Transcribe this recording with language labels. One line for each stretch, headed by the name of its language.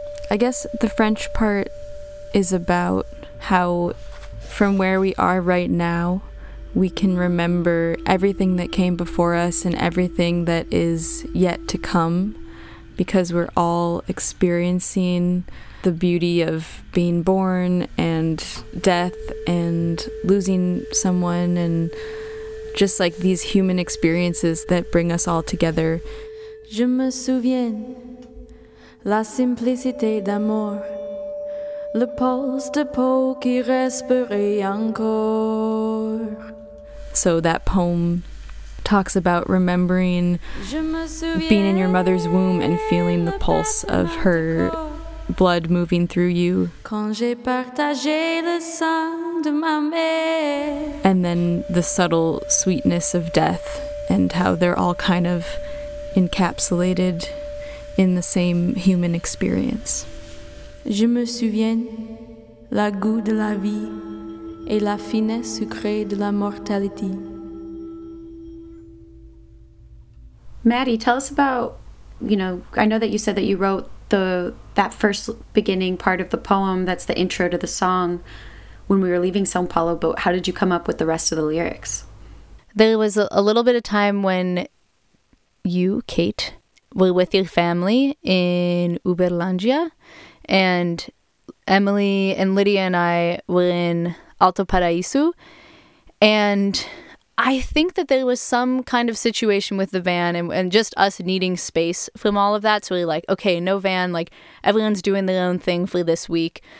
English: I guess the French part is about how, from where we are right now, we can remember everything that came before us and everything that is yet to come, because we're all experiencing the beauty of being born and death and losing someone and just like these human experiences that bring us all together.
French: Je me souviens la simplicité d'amour, le pulse de peau qui respirait encore.
English: So that poem talks about remembering being in your mother's womb and feeling the pulse of her blood moving through you.
French: Quand j'ai partagé le sang de ma mère.
English: And then the subtle sweetness of death and how they're all kind of encapsulated in the same human experience.
French: Je me souviens la goût de la vie et la finesse sucrée de la mortalité.
English: Maddie, tell us about, you know, I know that you said that you wrote that first beginning part of the poem that's the intro to the song when we were leaving São Paulo, but how did you come up with the rest of the lyrics? There was a little bit of time when you, Kate, were with your family in Uberlândia, and Emily and Lydia and I were in Alto Paraíso, and I think that there was some kind of situation with the van and just us needing space from all of that. So we're like, okay, no van, like everyone's doing their own thing for this week.